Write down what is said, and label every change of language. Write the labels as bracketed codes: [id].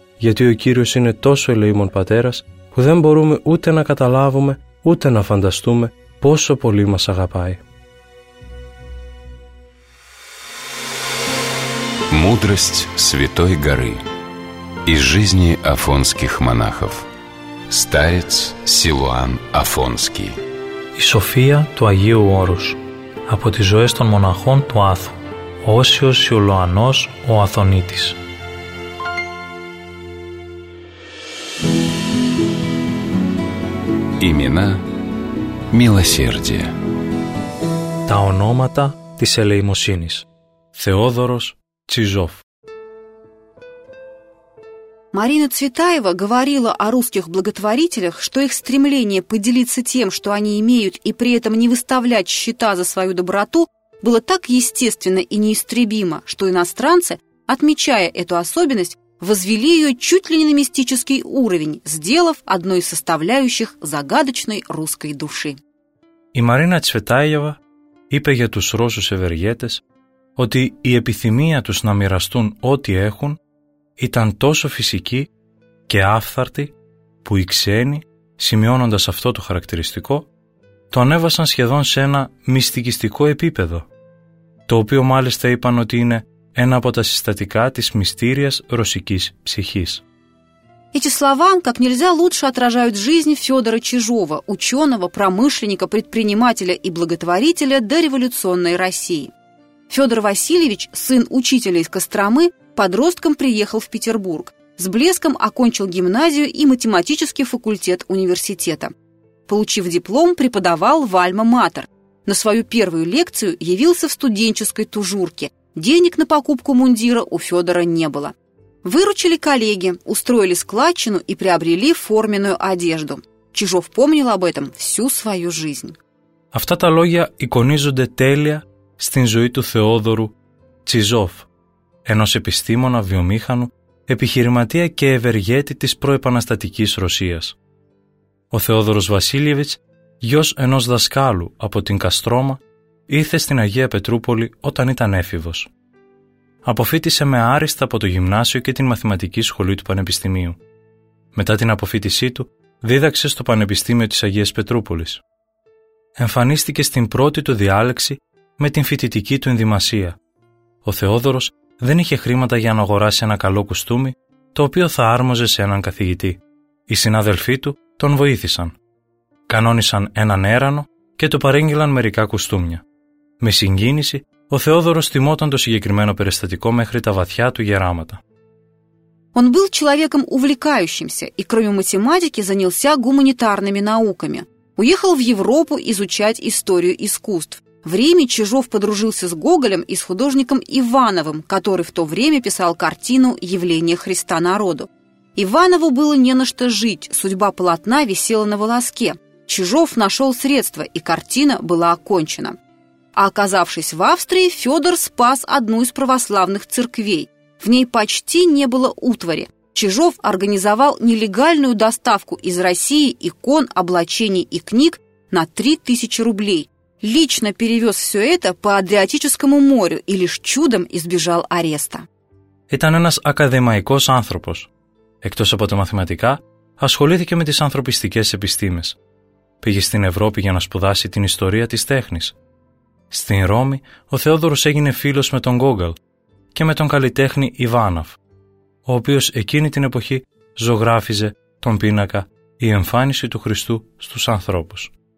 [el] γιατί ο Κύριος είναι τόσο ελεήμων Πατέρας που δεν μπορούμε ούτε να καταλάβουμε ούτε να φανταστούμε πόσο πολύ μας αγαπάει. [ru] Мудрость Святой Горы из жизни афонских монахов. Старец Силуан Афонский. [el] И София του Αγίου Όρους από τις ζωές των μοναχών του Άθου. Όσιος Σιουλωανός ο Αθωνίτης. [ru] Имена милосердия. [el] Τα ονόματα της ελεημοσύνης. Θεόδωρος Чижов. [ru] Марина Цветаева говорила о русских благотворителях, что их стремление поделиться тем, что они имеют, и при этом не выставлять счета за свою доброту, было так естественно и неистребимо, что иностранцы, отмечая эту особенность, возвели ее чуть ли не на мистический уровень, сделав одной из составляющих загадочной русской души. [el] И Марина Цветаева είπε για τους Ρώσους ευεργέτες, ότι η επιθυμία τους να μοιραστούν ό,τι έχουν ήταν τόσο φυσική και άφθαρτη που οι ξένοι, σημειώνοντας αυτό το χαρακτηριστικό, το ανέβασαν σχεδόν σε ένα μυστικιστικό επίπεδο, το οποίο μάλιστα είπαν ότι είναι ένα από τα συστατικά της μυστήριας ρωσικής ψυχής. [ru] Эти слова как нельзя лучше отражают жизнь Фёдора Чижова, учёного, промышленника, предпринимателя и благотворителя дореволюционной России. Фёдор Васильевич, сын учителя из Костромы, подростком приехал в Петербург. С блеском окончил гимназию и математический факультет университета. Получив диплом, преподавал в Альма-Матер. На свою первую лекцию явился в студенческой тужурке. Денег на покупку мундира у Фёдора не было. Выручили коллеги, устроили складчину и приобрели форменную одежду. Чижов помнил об этом всю свою жизнь. [el] Αυτά τα λόγια εικονίζονται τέλεια στην ζωή του Θεόδωρου Τσιζόφ, ενός επιστήμονα, βιομήχανου, επιχειρηματία και ευεργέτη της προεπαναστατικής Ρωσίας. Ο Θεόδωρος Βασίλιεβιτς, γιος ενός δασκάλου από την Καστρώμα, ήρθε στην Αγία Πετρούπολη όταν ήταν έφηβος. Αποφύτησε με άριστα από το γυμνάσιο και την μαθηματική σχολή του Πανεπιστημίου. Μετά την αποφύτισή του, δίδαξε στο Πανεπιστήμιο της Αγίας Πετρούπολης. Εμφανίστηκε στην πρώτη του διάλεξη με την φοιτητική του ενδυμασία. Ο Θεόδωρος δεν είχε χρήματα για να αγοράσει ένα καλό κουστούμι, το οποίο θα άρμοζε σε έναν καθηγητή. Οι συνάδελφοί του τον βοήθησαν. Κανόνισαν έναν έρανο και του παρέγγειλαν μερικά κουστούμια. Με συγκίνηση, ο Θεόδωρος θυμόταν το συγκεκριμένο περιστατικό μέχρι τα βαθιά του γεράματα. [ru] Он был человеком увлекающимся и кроме математики занялся гуманитарными науками. Уехал в Европу изучать историю искусств. В Риме Чижов подружился с Гоголем и с художником Ивановым, который в то время писал картину «Явление Христа народу». Иванову было не на что жить, судьба полотна висела на волоске. Чижов нашел средства, и картина была окончена. А оказавшись в Австрии, Федор спас одну из православных церквей. В ней почти не было утвари. Чижов организовал нелегальную доставку из России икон, облачений и книг на 3000 рублей. Лично перевез все это по Адриатическому морю и лишь чудом избежал ареста. [el] Ήταν ένας ακαδημαϊκός άνθρωπος. Εκτός από τα μαθηματικά, ασχολήθηκε με τις ανθρωπιστικές επιστήμες. Πήγε στην Ευρώπη για να σπουδάσει την ιστορία της τέχνης. Στην Ρώμη, ο Θεόδωρος έγινε φίλος με τον Γκόγκαλ και με τον καλλιτέχνη Ιβάνοφ, ο οποίος εκείνη την εποχή ζωγράφιζε τον πίνακα «Η εμφάνιση του Χριστού στους ανθρώπους».